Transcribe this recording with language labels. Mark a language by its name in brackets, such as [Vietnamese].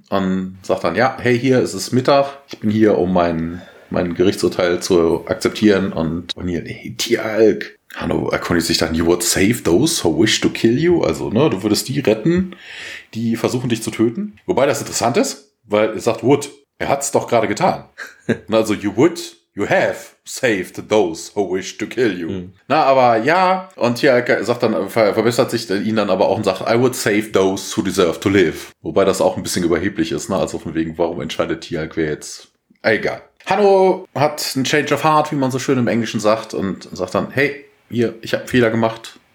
[German] Und sagt dann, ja, hey, hier, es ist Mittag. Ich bin hier, um mein Gerichtsurteil zu akzeptieren. Und hier, hey, Tiag. Hanno erkundigt sich dann, [English] you would save those who wish to kill you. [German] Also, ne, du würdest die retten, die versuchen, dich zu töten. Wobei das interessant ist. Weil er sagt, would. Er hat's doch gerade getan. Also, [English] you would, you have saved those who wish to kill you. Mhm. [German] Na, aber ja. Und hier sagt dann, verbessert sich ihn dann aber auch und sagt, [English] I would save those who deserve to live. [German] Wobei das auch ein bisschen überheblich ist, ne? Also von wegen, warum entscheidet Tiag, wer jetzt? Egal. Hanno hat ein [English] change of heart, [German] wie man so schön im Englischen sagt, und sagt dann, hey, hier, ich habe einen Fehler gemacht.